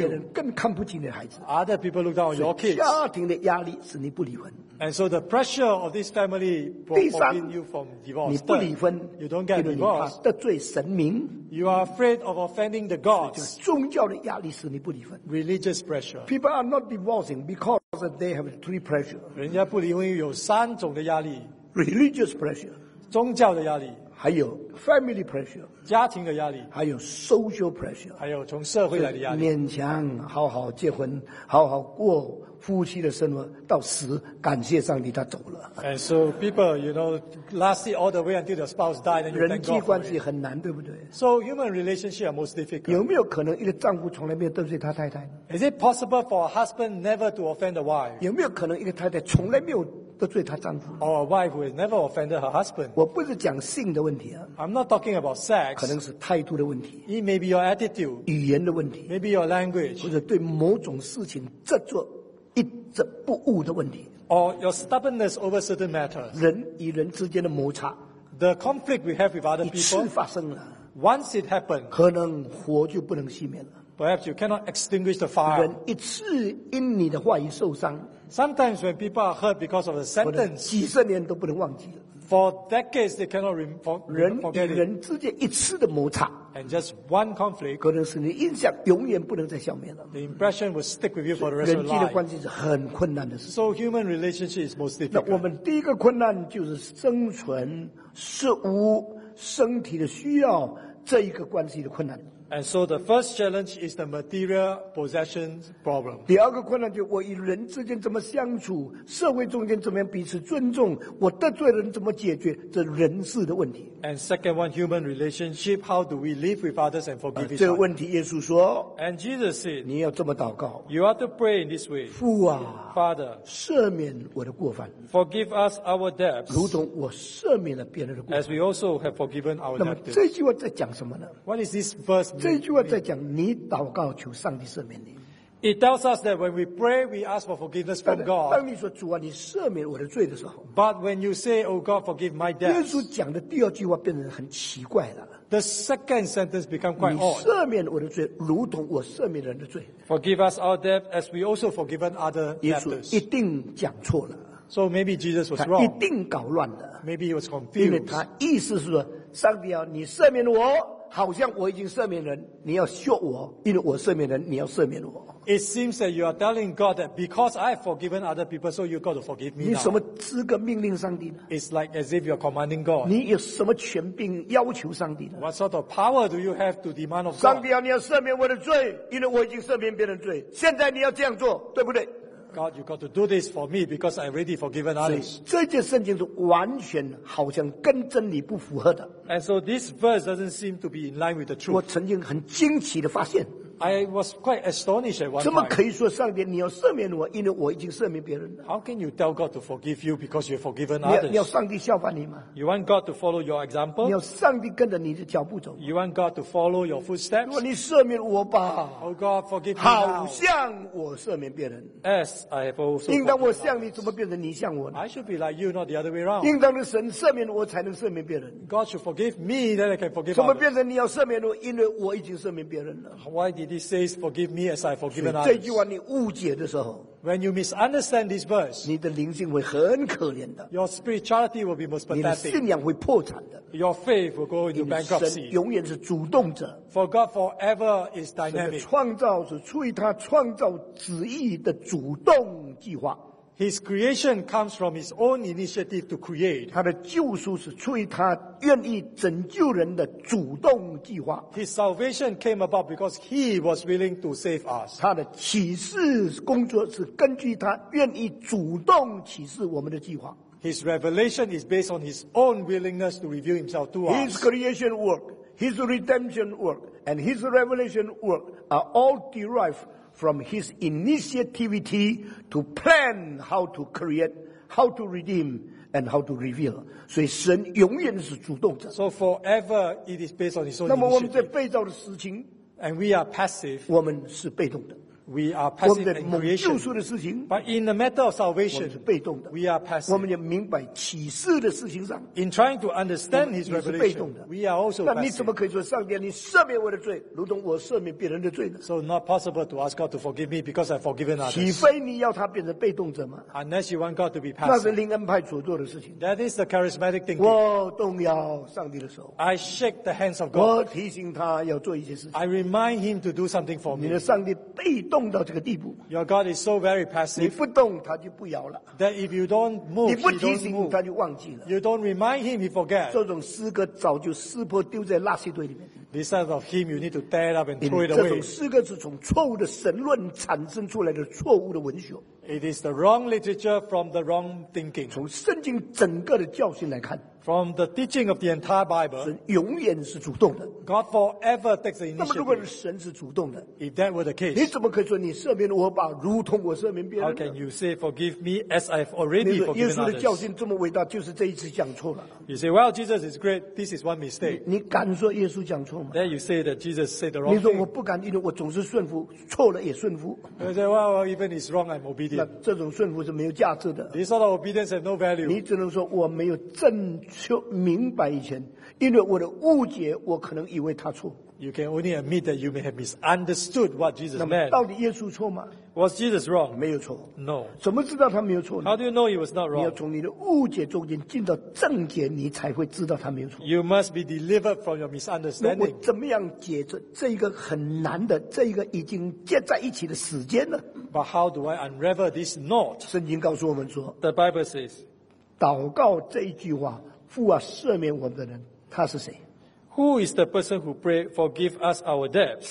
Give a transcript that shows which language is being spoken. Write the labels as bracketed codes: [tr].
[zh] 别人更看不起你的孩子。 [en] Other people look down on your kids. [zh] 家庭的压力使你不离婚。 [en] And so the pressure of this family prohibits you from divorce. [zh] 你不离婚。 [en] You don't get a divorce. [zh] 你怕得罪神明。 [en] You are afraid of offending the gods. [zh] 宗教的压力使你不离婚。 [en] Religious pressure. People are not divorcing because they have three pressures. [zh] 人家不离婚有三种的压力。 [en] Religious pressure. [zh] 宗教的压力。还有 [en] family pressure [zh] 家庭的压力，还有 [en] social pressure [zh] 还有从社会来的压力，勉强好好结婚，好好过夫妻的生活，到死感谢上帝他走了。 [en] And so people, you know, last it all the way until the spouse died, and you thank God. [zh] 人际关系很难，对不对？ [en] So human relationship are most difficult. [zh] 有没有可能一个丈夫从来没有得罪他太太？ [en] Is it possible for a husband never to offend a wife? [zh] 有没有可能一个太太从来没有得罪她丈夫？ [en] Or a wife who has never offended her husband. [zh] 我不是讲性的问题啊。 [en] I'm not talking about sex. [zh] 可能是态度的问题。 [en] It may be your attitude. [zh] 语言的问题。 [en] Maybe your language. [zh] 或者对某种事情执着。一直不悟的问题 [en] or your stubbornness over certain matters [zh] 人与人之间的摩擦 [en] the conflict we have with other people [zh] 一次发生了 [en] once it happened [zh] 可能火就不能熄灭了 [en] perhaps you cannot extinguish the fire [zh] 人一次因你的话语受伤 [en] sometimes when people are hurt because of a sentence [zh] 几十年都不能忘记了 [en] for decades they cannot forget [zh] 人与人之间一次的摩擦 [en] and just one conflict [zh] 可能使你印象永远不能再消灭了 [en] the impression will stick with you for the rest of your life [zh] 人际的关系是很困难的事 [en] so human relationship is most difficult [zh] 那我们第一个困难就是生存食物身体的需要这一个关系的困难 [en] and so the first challenge is the material possessions problem [zh] 第二个困难就是我与人之间怎么相处社会中间怎么样彼此尊重我得罪人怎么解决这人事的问题 [en] and second one human relationship how do we live with others and forgive each other [zh] 这个问题耶稣说 [en] and Jesus said [zh] 你要这么祷告 [en] you are to pray in this way [zh] 父啊 [en] Father [zh] 赦免我的过犯 [en] forgive us our debts [zh] 如同我赦免了别人的过犯 [en] as we also have forgiven our debtors [zh] 那么这句话在讲什么呢 [en] what is this verse mean [zh] 这句话在讲你祷告求上帝赦免你 [en] it tells us that when we pray we ask for forgiveness from God [zh] 当你说主啊你赦免我的罪的时候 [en] but when you say oh God forgive my debts [zh] 耶稣讲的第二句话变得很奇怪了 [en] the second sentence become quite odd [zh] 你赦免我的罪如同我赦免人的罪 [en] forgive us our debt as we also forgiven other debtors [zh] 耶稣一定讲错了 [en] so maybe Jesus was wrong [zh] 他一定搞乱的 [en] maybe he was confused [zh] 因为他意思是说上帝啊你赦免我好像我已经赦免人你要说我因为我赦免人你要赦免我 [en] It seems that you are telling God that because I have forgiven other people so you've got to forgive me now [zh] 你什么资格命令上帝呢 [en] It's like as if you're commanding God [zh] 你有什么权柄要求上帝呢 [en] What sort of power do you have to demand of God [zh] 上帝啊你要赦免我的罪因为我已经赦免别人的罪现在你要这样做对不对 [en] God you've got to do this for me because I've already forgiven others [zh] 这节圣经是完全好像跟真理不符合的 [en] And so this verse doesn't seem to be in line with the truth. [zh] 我曾经很惊奇地发现 [en] I was quite astonished at one time. [zh] 怎么可以说上帝你要赦免我因为我已经赦免别人了 [en] How can you tell God to forgive you because you have forgiven others? [zh] 你要上帝效法你吗 [en] You want God to follow your example? [zh] 你要上帝跟着你的脚步走 [en] You want God to follow your footsteps? [zh] 如果你赦免我吧 [en] Oh God forgive me [zh] 好像我赦免别人 [en] As I have also forgiven others. [zh] 应当我像你怎么变成你像我呢 [en] I should be like you not the other way around. [zh] 应当神赦免我才能赦免别人 [en] God should forgive me that I can forgive others. [zh] 怎么变成你要赦免我因为我已经赦免别人了 [en] Why did he say forgive me as I have forgiven others? [zh] 这句话你误解的时候 [en] When you misunderstand this verse [zh] 你的灵性会很可怜的 [en] Your spirituality will be most pathetic [zh] 你的信仰会破产的 [en] Your faith will go into bankruptcy [zh] 神永远是主动者 [en] For God forever is dynamic [zh] 神的创造是出于他创造旨意的主动计划 [en] His creation comes from his own initiative to create. [zh] 他的救赎是出于他愿意拯救人的主动计划。 [en] His salvation came about because he was willing to save us. [zh] 他的启示工作是根据他愿意主动启示我们的计划。 [en] His revelation is based on his own willingness to reveal himself to us. His creation work, his redemption work, and his revelation work are all derived from his initiativity to plan how to create, how to redeem, and how to reveal. [zh] 所以神永远是主动者。 [en] So forever it is based on his own initiative. [zh] 那么我们在被造的事情， [en] and we are passive. [zh] 我们是被动的。 [en] We are passive in creation. [zh] 救赎的事情， [en] but in the matter of salvation, [zh] 我们是被动的。 [en] We are passive. [zh] 我们也明白启示的事情上， [en] in trying to understand his revelation, we are also passive. [zh] 那你怎么可以说上帝，你赦免我的罪，如同我赦免别人的罪呢？ [en] So not possible to ask God to forgive me because I've forgiven others. [zh] 岂非你要他变成被动者吗？ [en] Unless you want God to be passive. [zh] 那是灵恩派所做的事情。 [en] That is the charismatic thinking. [zh] 我动摇上帝的手。 [en] I shake the hands of God. [zh] 我提醒他要做一些事情。 [en] I remind him to do something for me. [zh] 你的上帝被动。 [en] Your God is so very passive. [zh] 你不动，他就不摇了。 [en] That if you don't move, [zh] 你不提醒他就忘记了。 [en] You don't remind him, he forgets. [zh] 这种诗歌早就撕破，丢在垃圾堆里面。 [en] This side of him, you need to tear it up and throw it away. [zh] 这种诗歌是从错误的神论产生出来的错误的文学。 [en] It is the wrong literature from the wrong thinking. [zh] 从圣经整个的教训来看。 [en] From the teaching of the entire Bible, [zh] 神永远是主动的。 [en] God forever takes the initiative. [zh] 那么如果神是主动的， [en] if that were the case, [zh] 你怎么可以说你赦免我吧，如同我赦免别人？ [en] How can you say forgive me as I've already forgiven others? [zh] 耶稣的教训这么伟大，就是这一次讲错了。 [en] You say, well, Jesus is great. This is one mistake. [zh] 你敢说耶稣讲错吗？ [en] Then you say that Jesus said the wrong thing. [zh] 你说我不敢，因为我总是顺服，错了也顺服。 [en] You say, well, even it's wrong, I'm obedient. [zh] 那这种顺服是没有价值的。 [en] This sort of obedience has no value. [zh] 你只能说我没有正就明白以前，因为我的误解，我可能以为他错。 [en] You can only admit that you may have misunderstood what Jesus meant. [zh] 那么到底耶稣错吗？ [en] Was Jesus wrong? [zh] 没有错。 [en] No. [zh] 怎么知道他没有错呢？ [en] How do you know he was not wrong? [zh] 你要从你的误解中间进到正解，你才会知道他没有错。 [en] You must be delivered from your misunderstanding. [zh] 那我怎么样解决这一个很难的，这一个已经结在一起的时间呢？ [en] But how do I unravel this knot? [zh] 圣经告诉我们说， [en] The Bible says, [zh] 祷告这一句话。父啊，赦免我们的人，他是谁？ [en] Who is the person who pray forgive us our debts?